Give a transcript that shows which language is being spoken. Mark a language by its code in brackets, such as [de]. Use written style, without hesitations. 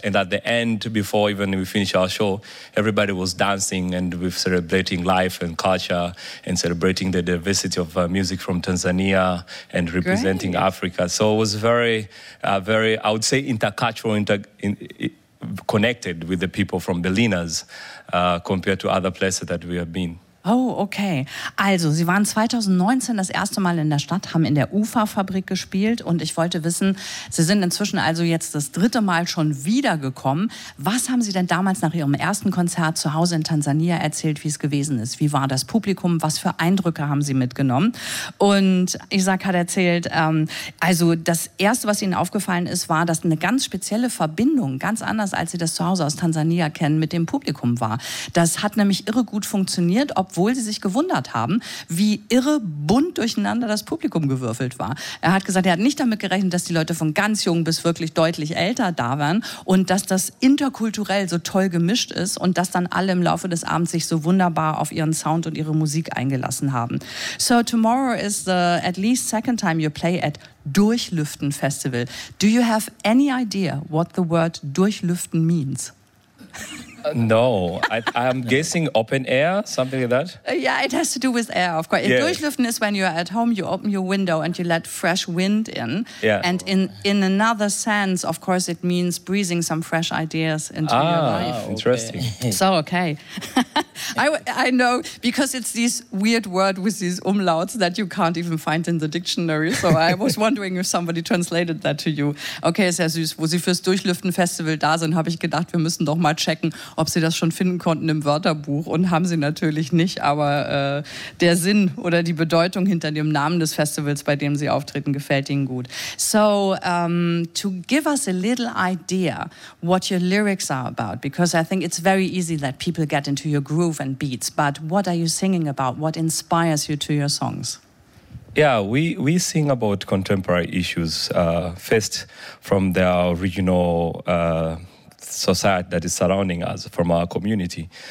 [en] And at the end, before even we finished our show, everybody was dancing and we're celebrating life and culture and celebrating the diversity of music from Tanzania and representing Great. Africa. So it was very, very, I would say, intercultural, connected with the people from Berliners compared to other places that we have been. Oh, okay. [de] Also, Sie waren 2019 das erste Mal in der Stadt, haben in der Uferfabrik gespielt und ich wollte wissen, Sie sind inzwischen also jetzt das dritte Mal schon wiedergekommen. Was haben Sie denn damals nach Ihrem ersten Konzert zu Hause in Tansania erzählt, wie es gewesen ist? Wie war das Publikum? Was für Eindrücke haben Sie mitgenommen? Und Isaac hat erzählt, also das Erste, was Ihnen aufgefallen ist, war, dass eine ganz spezielle Verbindung, ganz anders als Sie das zu Hause aus Tansania kennen, mit dem Publikum war. Das hat nämlich irre gut funktioniert, obwohl sie sich gewundert haben, wie irre bunt durcheinander das Publikum gewürfelt war. Er hat gesagt, er hat nicht damit gerechnet, dass die Leute von ganz jung bis wirklich deutlich älter da waren und dass das interkulturell so toll gemischt ist und dass dann alle im Laufe des Abends sich so wunderbar auf ihren Sound und ihre Musik eingelassen haben. [en] So tomorrow is the at least second time you play at Durchlüften Festival. Do you have any idea what the word Durchlüften means? No, I'm guessing open air, something like that. Yeah, it has to do with air, of course. Yes. Durchlüften is when you're at home, you open your window and you let fresh wind in. Yeah. And in another sense, of course, it means breathing some fresh ideas into your life. Ah, interesting. So, okay. I know, because it's this weird word with these umlauts that you can't even find in the dictionary. So I was wondering if somebody translated that to you. [de] Okay, sehr süß. Wo Sie fürs Durchlüften-Festival da sind, habe ich gedacht, wir müssen doch mal checken, ob Sie das schon finden konnten im Wörterbuch. Und haben Sie natürlich nicht. Aber der Sinn oder die Bedeutung hinter dem Namen des Festivals, bei dem Sie auftreten, gefällt Ihnen gut. [en] So, to give us a little idea what your lyrics are about, because I think it's very easy that people get into your groove and beats, but what are you singing about? What inspires you to your songs? Yeah, we sing about contemporary issues first from the original society that is surrounding us, from our community.